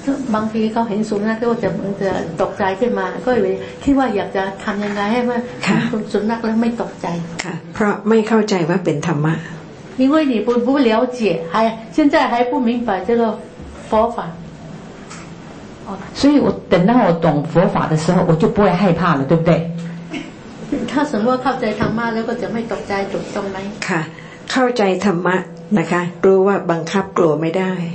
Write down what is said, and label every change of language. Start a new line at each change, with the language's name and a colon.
Thai: บางทีเขาเห็นสุนัขแล้วจะตกใจขึ้นมาก็เลยคิดว่าอยากจะทำยังไงให้มันสุนัขแล้วไม่ตกใจ เพราะไม่เข้าใจว่าเป็นธรรมะ
Chinese: 因为你不了解还现在还不明白这个佛法所以我等到我懂佛法的时候我就不会害怕了对不对他什么
Thai: เข้าใจธรรมะแล้วก็จะไม่ตกใจถูกต้องไหม ค่ะเข้าใจธรรมะนะคะรู้ว่าบังคับกลัวไม่ได้